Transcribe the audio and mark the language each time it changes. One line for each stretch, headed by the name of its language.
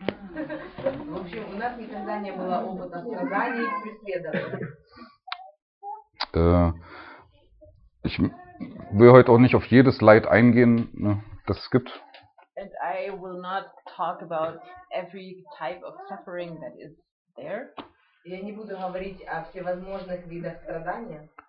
Russian: В общем, у нас никогда не было опыта страданий и преследования.
German: Ich will heute auch nicht auf jedes Leid eingehen, ne, das es gibt.
English: And I will not talk about every type of suffering that is there.
Russian: Я не буду говорить о всевозможных видах страдания.